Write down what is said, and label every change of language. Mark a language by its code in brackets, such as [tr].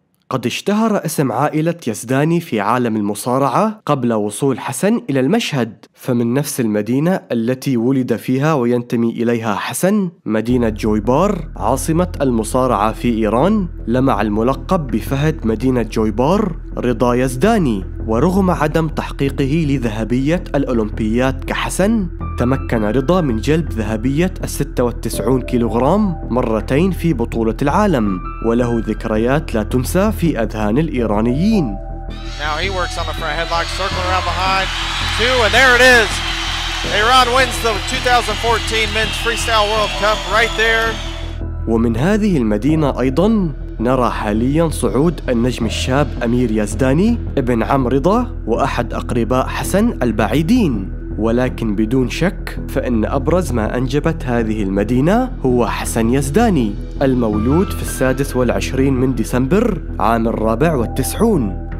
[ar] قد اشتهر اسم عائلة يزداني في عالم المصارعة قبل وصول حسن إلى المشهد، فمن نفس المدينة التي ولد فيها وينتمي إليها حسن، مدينة جويبار عاصمة المصارعة في إيران، لمع الملقب بفهد مدينة جويبار رضا يزداني. ورغم عدم تحقيقه لذهبية الأولمبيات كحسن، تمكن رضا من جلب ذهبية 96 كيلوغرام مرتين في بطولة العالم، وله ذكريات لا تنسى في أذهان الإيرانيين. [en] Now he works on the front headlock, circling around behind two, and there it is. Iran wins the 2014 Men's Freestyle World Cup right there. [ar] ومن هذه المدينة أيضا نرى حاليا صعود النجم الشاب أمير يزداني ابن عم رضا وأحد أقرباء حسن البعيدين. ولكن بدون شك فإن أبرز ما أنجبت هذه المدينة هو حسن يزداني، المولود في 26 من ديسمبر عام 94.